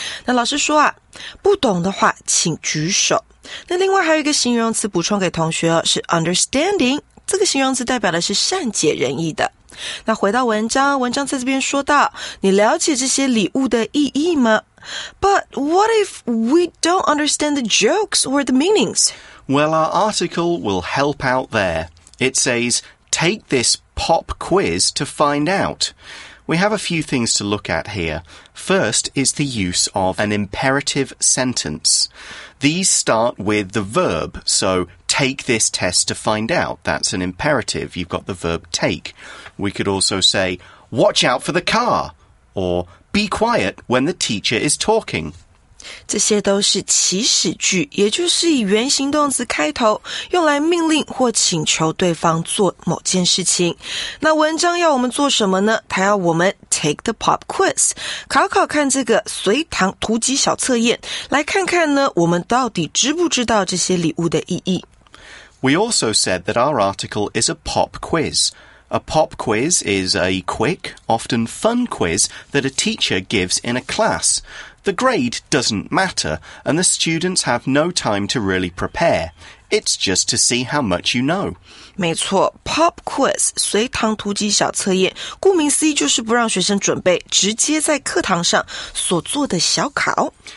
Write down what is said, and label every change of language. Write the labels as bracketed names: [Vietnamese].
[Chinese] 那老师说啊，不懂的话请举手。那另外还有一个形容词补充给同学哦，是 understanding。这个形容词代表的是善解人意的。那回到文章，文章在这边说到，你了解这些礼物的意义吗？ [English] But what if we don't understand the jokes or the meanings? Well, our article will help out there. It says, take this pop quiz to find out. We have a few things to look at here. First is the use of an imperative sentence. These start with the verb, so... Take this test to find out. That's an imperative. You've got the verb take. We could also say, watch out for the car. Or, be quiet when the teacher is talking. [Chinese] 这些都是祈使句，也就是以原形动词开头，用来命令或请求对方做某件事情。那文章要我们做什么呢？他要我们 [English] take the pop quiz， [Chinese] 考考看这个随堂突击小测验，来看看呢，我们到底知不知道这些礼物的意义。 [English] We also said that our article is a pop quiz. A pop quiz is a quick, often fun quiz that a teacher gives in a class. The grade doesn't matter, and the students have no time to really prepare. It's just to see how much you know. [Chinese] 没错 ,pop quiz, 随堂突击小测验,顾名思义就是不让学生准备,直接在课堂上所做的小考。